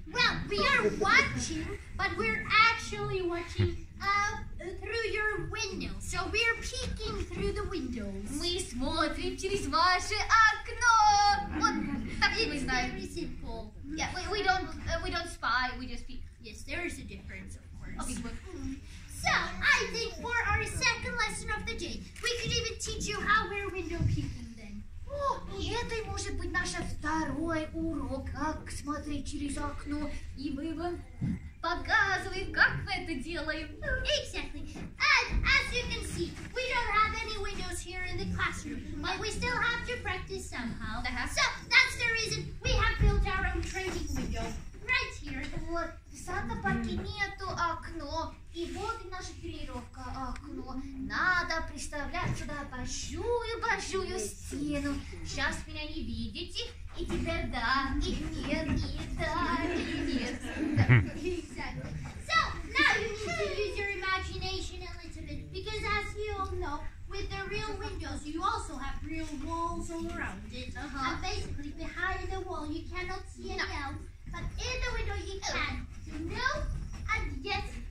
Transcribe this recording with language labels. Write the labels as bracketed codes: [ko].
[en] Well, we are watching, but we're actually watching through your window. So we're peeking through the windows. [ru] Мы смотрим через ваше окно. [en] It's very simple. Yeah, we don't spy. We just peek. Yes, there is a difference, of course. Okay, so I think for our second lesson of the day, we could even teach you how we're window peeking. Then. [ru] Oh, это может быть наш второй урок, как смотреть через окно, и мы вам показываем, как мы это делаем. [en] Exactly. And as you can see, we don't have any windows here in the classroom, but we still have to practice somehow. So that's the reason we have built our own training window right here. [ru] Вот, в SantaParkе нету окно, и вот и наша тренировка окно. Надо представлять сюда большую-большую стену. Сейчас меня не видите. И теперь да, и нет, и да, и нет. [en] Exactly. So, now you need to use your imagination a little bit. Because as you all know, with the real windows, you also have real walls all around it. Uh-huh. And basically, behind the wall, you cannot see any elves. But in the window you can. No, and yes,